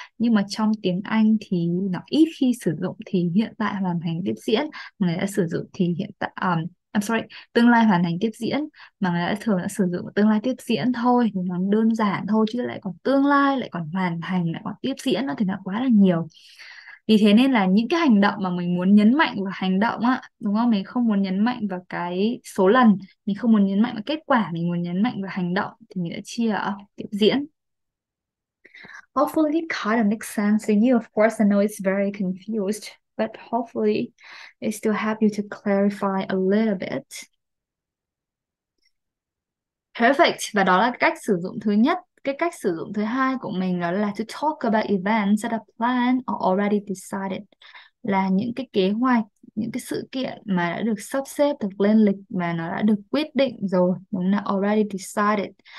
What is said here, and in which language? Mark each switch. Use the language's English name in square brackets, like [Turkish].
[Vietnamese] Nhưng mà trong tiếng Anh thì nó ít khi sử dụng thì hiện tại hoàn thành tiếp diễn, mà người đã sử dụng thì hiện tại [English] I'm sorry, [Vietnamese] tương lai hoàn thành tiếp diễn, mà người đã thường đã sử dụng tương lai tiếp diễn thôi, thì nó đơn giản thôi, chứ lại còn tương lai, lại còn hoàn thành, lại còn tiếp diễn nó thì nó quá là nhiều. Vì thế nên là những cái hành động mà mình muốn nhấn mạnh vào hành động á, đúng không? Mình không muốn nhấn mạnh vào cái số lần, mình không muốn nhấn mạnh vào kết quả, mình muốn nhấn mạnh vào hành động, thì mình đã chia ở tiếp diễn. [English] Hopefully it kind of makes sense to you. Of course, I know it's very confused, but hopefully it still help you to clarify a little bit. Perfect. [Vietnamese] Và đó là cách sử dụng thứ nhất. Cái cách sử dụng thứ hai của mình đó là [English] to talk about events that are planned or already decided. [Vietnamese] Là những cái kế hoạch, những cái sự kiện mà đã được sắp xếp, được lên lịch mà nó đã được quyết định rồi, đúng là [English] already decided.